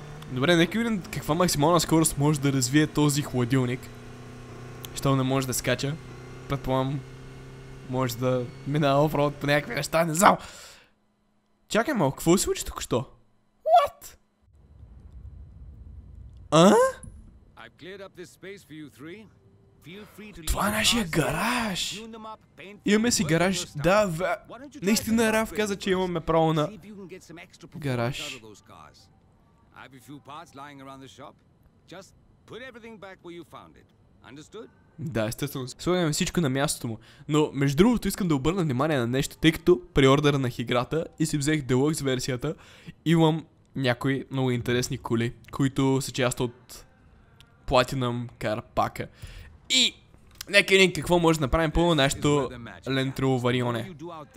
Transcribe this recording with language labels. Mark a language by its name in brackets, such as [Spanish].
[Bulgarian] Добре, нека видим каква максимална скорост може да развие този хладилник. Щом не може да скача. Предполагам, може да минава оффроуд по някакви неща, не знам. Чакай малко, какво се случи току-що? [English] What? [Bulgarian] А? [English] I've cleared up this space for you three. Feel free to leave. [Bulgarian] Това е нашия гараж. Имаме си гараж. Да, наистина Раф каза, че имаме право на гараж. [English] I've a few parts lying around the shop. Just put everything back where you found it. Understood? [Bulgarian] Да, естествено, слагаме всичко на мястото му. Но между другото искам да обърна внимание на нещо, тъй като при ордера на играта и си взех Deluxe версията, имам някои много интересни коли, които са част от Platinum Car Pack-а. И нека един какво може да направим по нашето Land Rover-ионе.